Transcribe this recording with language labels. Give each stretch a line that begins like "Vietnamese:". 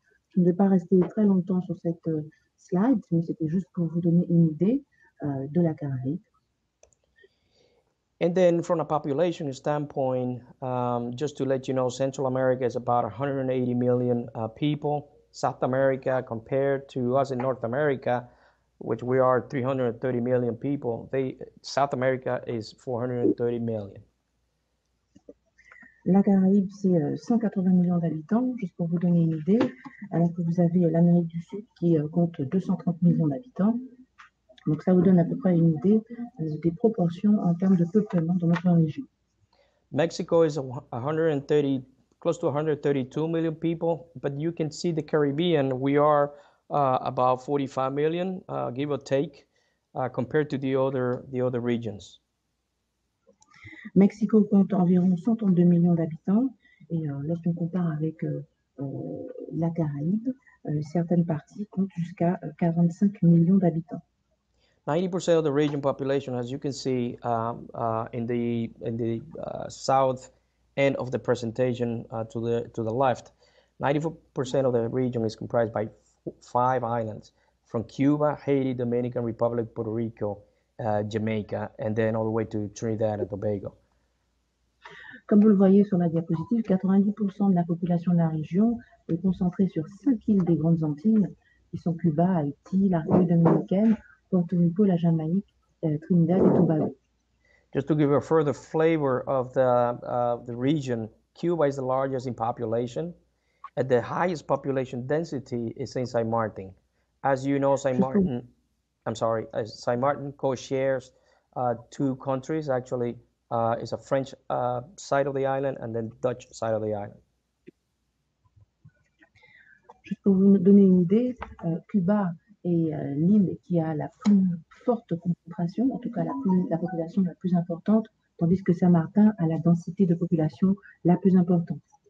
French: Je ne vais pas rester très longtemps sur cette slide, mais c'était juste pour vous donner une idée de la Caraïbe.
English: And then from a population standpoint, just to let you know, Central America is about 180 million people. South America, compared to us in North America, which we are 330 million people, South America is 430 million.
French: La Caraïbe, c'est 180 millions d'habitants, juste pour vous donner une idée, alors que vous avez l'Amérique du Sud qui compte 230 millions d'habitants. Donc ça vous donne à peu près une idée des proportions en termes de peuplement dans notre région.
English: Mexico is 130, close to 132 million people, but you can see the Caribbean, we are about 45 million, give or take, compared to the other regions.
French: Mexico compte environ 132 millions d'habitants et lorsqu'on compare avec la Caraïbe, certaines parties comptent jusqu'à 45 millions d'habitants.
English: 90% of the region population, as you can see in the south end of the presentation to the left, 94% of the region is comprised by five islands from Cuba, Haiti, Dominican Republic, Puerto Rico, Jamaica, and then all the way to Trinidad and Tobago.
French: Comme vous le voyez sur la diapositive, 90% de la population de la région est concentrée sur 5 îles des Grandes Antilles, qui sont Cuba, Haïti, la République dominicaine, Porto Rico, la Jamaïque, Trinidad et Tobago.
English: Just to give a further flavor of the region, Cuba is the largest in population, and the highest population density is in Saint Martin. As you know, Saint Martin co-shares two countries, actually. Is a French side of the island and then Dutch side of the island.
French: Juste pour vous donner une idée, Cuba est l'île qui a la plus forte concentration, en tout cas la population la plus importante, tandis que Saint Martin a la densité de population la plus importante.